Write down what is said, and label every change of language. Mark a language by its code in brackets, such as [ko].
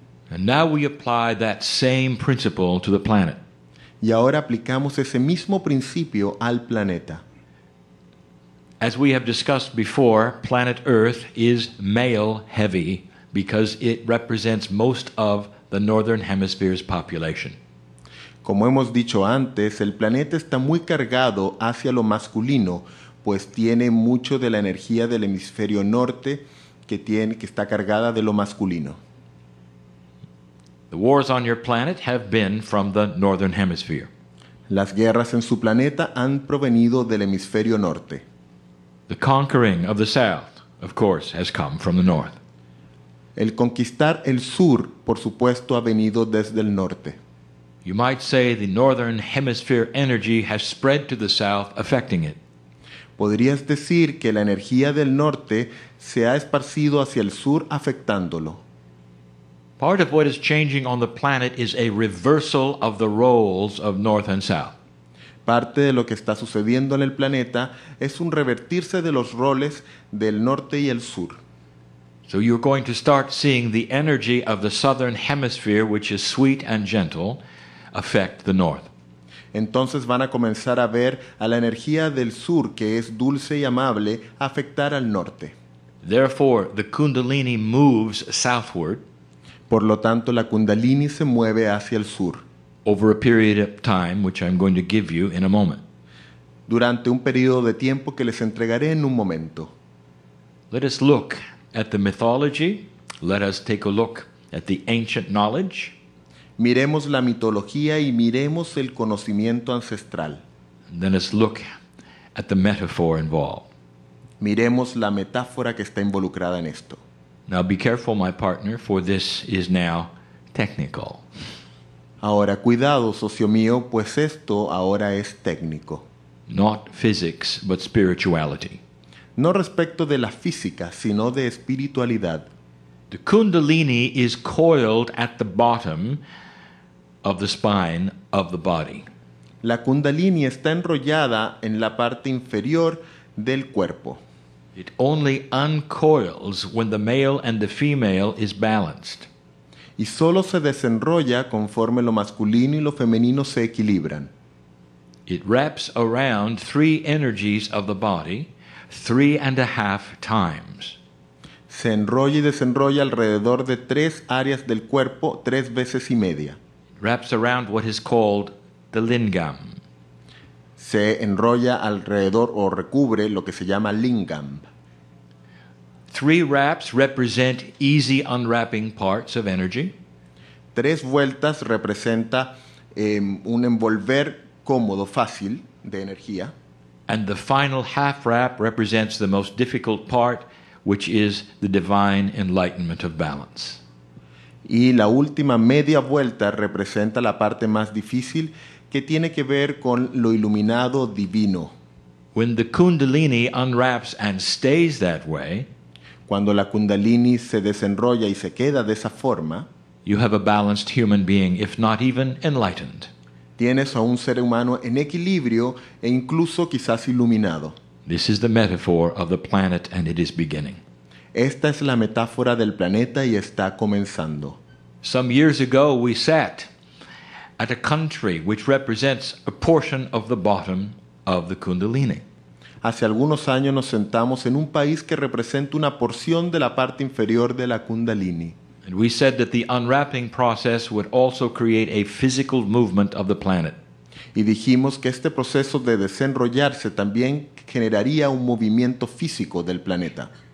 [en] And now we apply that same principle to the planet. [es] Y ahora aplicamos ese mismo principio al planeta. [en] As we have discussed before, planet Earth is male heavy because it represents most of the Northern Hemisphere's population. [es] Como hemos dicho antes, el planeta está muy cargado hacia lo masculino, pues tiene mucho de la energía del hemisferio norte que está cargada de lo masculino. [en] The wars on your planet have been from the Northern Hemisphere. [es] Las guerras en su planeta han provenido del hemisferio norte. [en] The conquering of the South, of course, has come from the North. [es] El conquistar el sur, por supuesto, ha venido desde el norte. [en] You might say the Northern Hemisphere energy has spread to the South, affecting it. [es] Podrías decir que la energía del norte se ha esparcido hacia el sur, afectándolo. [en] Part of what is changing on the planet is a reversal of the roles of North and South. [es] Parte de lo que está sucediendo en el planeta es un revertirse de los roles del norte y el sur. [en] So you're going to start seeing the energy of the Southern Hemisphere, which is sweet and gentle, affect the North. [es] Entonces van a comenzar a ver a la energía del sur, que es dulce y amable, afectar al norte. [en] Therefore, the Kundalini moves southward. [es] Por lo tanto, la Kundalini se mueve hacia el sur. [en] Over a period of time, which I'm going to give you in a moment. [es] Durante un periodo de tiempo que les entregaré en un momento. [en] Let us look at the mythology. Let us take a look at the ancient knowledge. [es] Miremos la mitología y miremos el conocimiento ancestral. [en] Then let's look at the metaphor involved. [es] Miremos la metáfora que está involucrada en esto. [en] Now be careful, my partner, for this is now technical. [es] Ahora, cuidado, socio mío, pues esto ahora es técnico. [en] Not physics, but spirituality. [es] No respecto de la física, sino de espiritualidad. [en] The Kundalini is coiled at the bottom of the spine of the body. [es] La Kundalini está enrollada en la parte inferior del cuerpo. [en] It only uncoils when the male and the female is balanced. [es] Y solo se desenrolla conforme lo masculino y lo femenino se equilibran. [en] It wraps around three energies of the body 3.5 times. [es] Se enrolla y desenrolla alrededor de tres áreas del cuerpo 3.5 veces. [en] It wraps around what is called the lingam. [es] Se enrolla alrededor o recubre lo que se llama lingam. [en] Three wraps represent easy unwrapping parts of energy. [es] Tres vueltas representa un envolver cómodo, fácil, de energía. [en] And the final half wrap represents the most difficult part, which is the divine enlightenment of balance. [es] Y la última media vuelta representa la parte más difícil, que tiene que ver con lo iluminado divino. [en] When the Kundalini unwraps and stays that way, [es] cuando la Kundalini se desenrolla y se queda de esa forma, [en] you have a balanced human being, if not even enlightened. [es] Tienes a un ser humano en equilibrio e incluso quizás iluminado. [en] This is the metaphor of the planet and it is beginning. [es] Esta es la metáfora del planeta y está comenzando. [en] Some years ago we sat at a country which represents a portion of the bottom of the Kundalini. [es] Hace algunos años nos sentamos en un país que representa una porción de la parte inferior de la Kundalini. [en] And we said that the unwrapping process would also create a physical movement of the planet. [es] Y dijimos que este proceso de desenrollarse también generaría un movimiento físico del planeta.